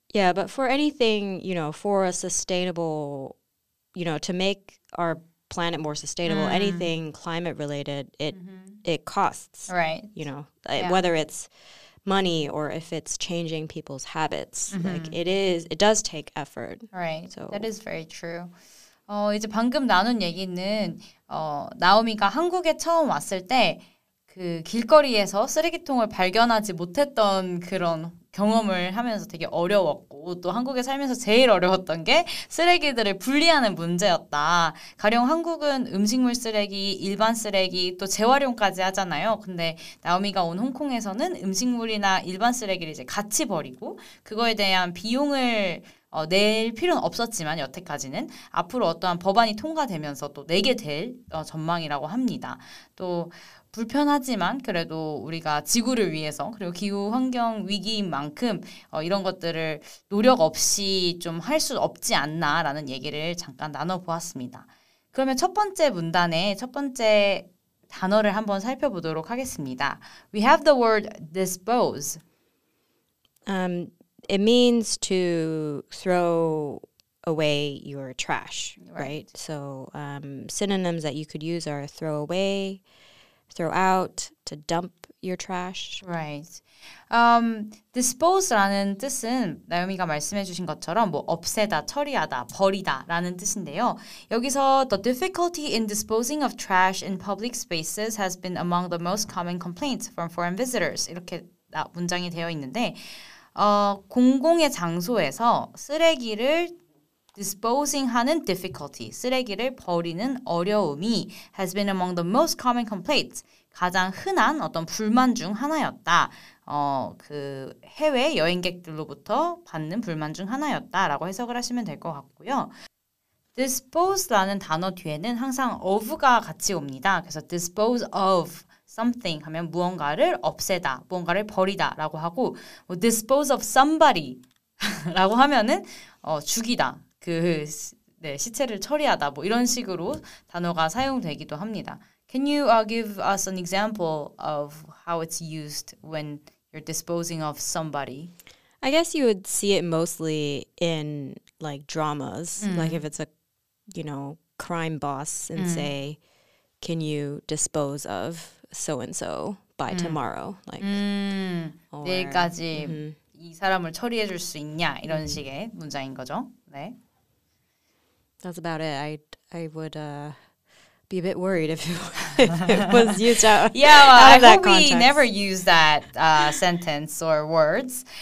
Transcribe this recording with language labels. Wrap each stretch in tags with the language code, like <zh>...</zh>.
<en>Yeah, but for anything, you know, for a sustainable, you know, to make our planet more sustainable, anything climate related, it costs. Right. You know, whether it's money or if it's changing people's habits, like it does take effort. Right. So that is very true.</en> <ko>이제 방금 나눈 얘기는 나오미가 한국에 처음 왔을 때 그 길거리에서 쓰레기통을 발견하지 못했던 그런 경험을 하면서 되게 어려웠고 또 한국에 살면서 제일 어려웠던 게 쓰레기들을 분리하는 문제였다. 가령 한국은 음식물 쓰레기, 일반 쓰레기 또 재활용까지 하잖아요. 근데 나오미가 온 홍콩에서는 음식물이나 일반 쓰레기를 이제 같이 버리고 그거에 대한 비용을 낼 필요는 없었지만 여태까지는 앞으로 어떠한 법안이 통과되면서 또 내게 될 전망이라고 합니다. 또 불편하지만 그래도 우리가 지구를 위해서 그리고 기후 환경 위기인 만큼 이런 것들을 노력 없이 좀 할 수 없지 않나라는 얘기를 잠깐 나눠보았습니다. 그러면 첫 번째 문단에 첫 번째 단어를 한번 살펴보도록 하겠습니다.</ko> <en>We have the word dispose. It means to throw away your trash, right? So synonyms that you could use are throw away, throw out, to dump your trash. Right.</en> <ko>Dispose라는 뜻은 나요미가 말씀해 주신 것처럼 뭐 없애다, 처리하다, 버리다라는 뜻인데요. 여기서</ko> <en>the difficulty in disposing of trash in public spaces has been among the most common complaints from foreign visitors.</en> <ko>이렇게 문장이 되어 있는데 공공의 장소에서 쓰레기를 disposing 하는 difficulty, 쓰레기를 버리는 어려움이</ko> <en>has been among the most common complaints,</en> <ko>가장 흔한 어떤 불만 중 하나였다. 그 해외 여행객들로부터 받는 불만 중 하나였다라고 해석을 하시면 될 것 같고요. dispose라는 단어 뒤에는 항상 of가 같이 옵니다. 그래서</ko> <en>dispose of something</en> <ko>하면 무언가를 없애다, 무언가를 버리다 라고 하고 뭐</ko> <en>dispose of somebody</en> <ko>라고 하면은 죽이다. 시체를 처리하다 뭐 이런 식으로 단어가 사용되기도 합니다.</ko> <en>Can you give us an example of how it's used when you're disposing of somebody? I guess you would see it mostly in like dramas. Like if it's a, you know, crime boss and say, can you dispose of so-and-so by tomorrow?</en> <ko>Like, 내일까지 이 사람을 처리해 줄 수 있냐 이런 식의 문장인 거죠. 네.</ko> <en>That's about it. I would be a bit worried if it was used out. Yeah, well, out of I that hope context. We never use that sentence or words.</en>